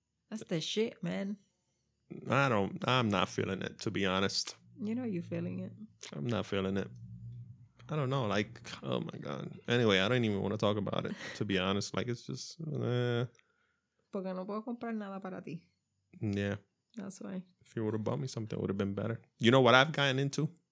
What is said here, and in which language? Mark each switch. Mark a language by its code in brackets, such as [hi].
[en] That's the shit, man. I'm not feeling it, to be honest. You know you're feeling it. I'm not feeling it. I don't know, like, oh my God. Anyway, I don't even want to talk about it, to be honest. Like, it's just, [es] Porque no puedo comprar nada para ti. [en] Yeah. That's why. If you would have bought me something, it would have been better. You know what I've gotten into?